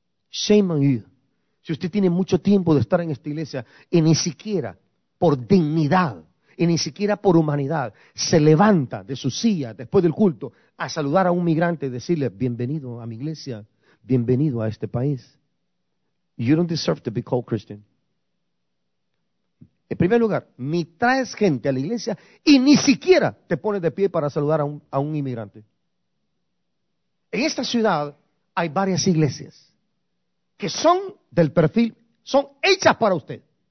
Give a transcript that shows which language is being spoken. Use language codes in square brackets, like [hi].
[en] Shame on you. [es] Si usted tiene mucho tiempo de estar en esta iglesia y ni siquiera por dignidad y ni siquiera por humanidad se levanta de su silla después del culto a saludar a un migrante y decirle bienvenido a mi iglesia, bienvenido a este país. [en] You don't deserve to be called Christian. [es] En primer lugar, ni traes gente a la iglesia y ni siquiera te pones de pie para saludar a un inmigrante. En esta ciudad hay varias iglesias que son del perfil, son hechas para usted.